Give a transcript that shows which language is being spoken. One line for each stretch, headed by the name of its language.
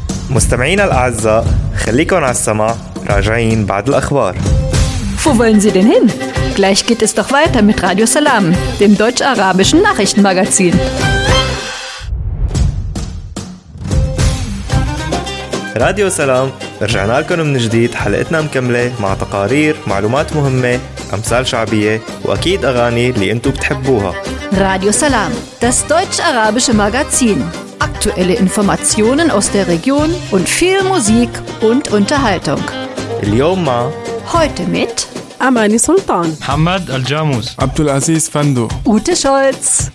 Arabic: مستمعين الأعزاء، خليكم على السماع، راجعين بعد الأخبار.
German: Wo wollen Sie denn hin? Gleich geht es doch weiter mit Radio Salam, dem deutsch-arabischen Nachrichtenmagazin.
Arabic: راديو سلام رجعنا لكم من جديد. حلقتنا مكملة مع تقارير، معلومات مهمة، أمثال شعبية وأكيد أغاني اللي أنتوا بتحبوها.
German: راديو سلام Das deutsch-arabische Magazin. Aktuelle Informationen aus der Region und viel Musik und Unterhaltung.
Arabic: اليوم مع
German: Heute mit
Arabic: أماني سلطان محمد الجاموس عبد العزيز فندو
German: Ute Scholz